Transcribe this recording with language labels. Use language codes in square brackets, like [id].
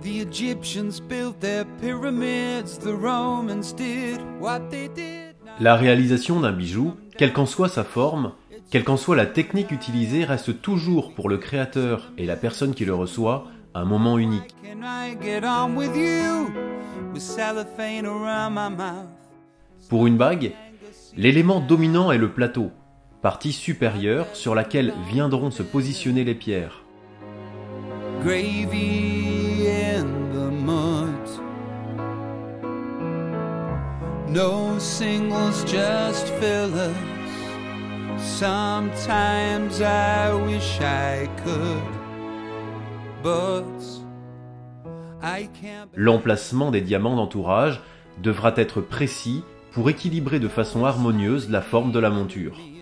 [en] Egyptians built their pyramids, the Romans did what they did. [fr] La réalisation d'un bijou, quelle qu'en soit sa forme, quelle qu'en soit la technique utilisée, reste toujours pour le créateur et la personne qui le reçoit un moment unique. [en] Can I get on with you with cellophane around my mouth? [fr] Pour une bague, l'élément dominant est le plateau, partie supérieure sur laquelle viendront se positionner les pierres. [en] Gravy in the mud. No singles, just fillers. Sometimes I wish I could, but I can't. [fr] L'emplacement des diamants d'entourage devra être précis pour équilibrer de façon harmonieuse la forme de la monture.